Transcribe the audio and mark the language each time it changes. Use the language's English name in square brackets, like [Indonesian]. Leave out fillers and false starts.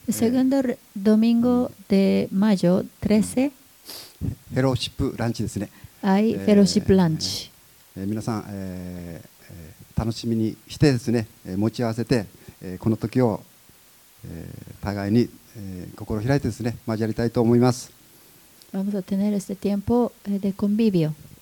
[Spanish] Segundo domingo de mayo 13. [Japanese] フェローシップランチですね。はい、フェローシップランチ。皆さん、楽しみにしてですね、持ち合わせて、この時を、互いに、心開いてですね、交わりたいと思います。 [Spanish] Vamos a tener este tiempo de convivio。